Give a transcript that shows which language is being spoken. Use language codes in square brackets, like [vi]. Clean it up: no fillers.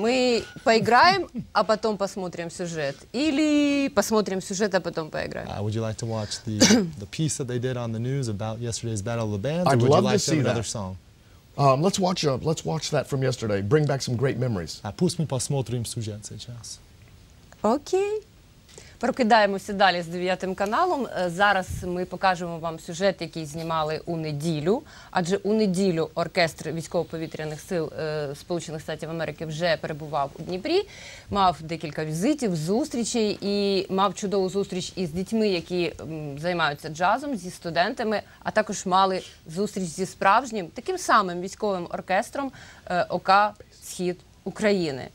[ru] Мы поиграем, а потом посмотрим сюжет. Или посмотрим сюжет, а потом поиграем. [en] Would you like to watch the piece that they did on the news about yesterday's Battle of the Bands? Or would you like to see another song? Let's watch that from yesterday. Bring back some great memories. [ru] Пусть мы посмотрим сюжет сейчас. Окей. [uk] Прокидаємося далі з 9 каналом. Зараз ми покажемо вам сюжет, який знімали у неділю. Адже у неділю оркестр військово-повітряних сил Сполучених Штатів Америки вже перебував у Дніпрі, мав декілька візитів, зустрічей і мав чудову зустріч із дітьми, які займаються джазом, зі студентами, а також мали зустріч зі справжнім, таким самим військовим оркестром ОК «Схід України».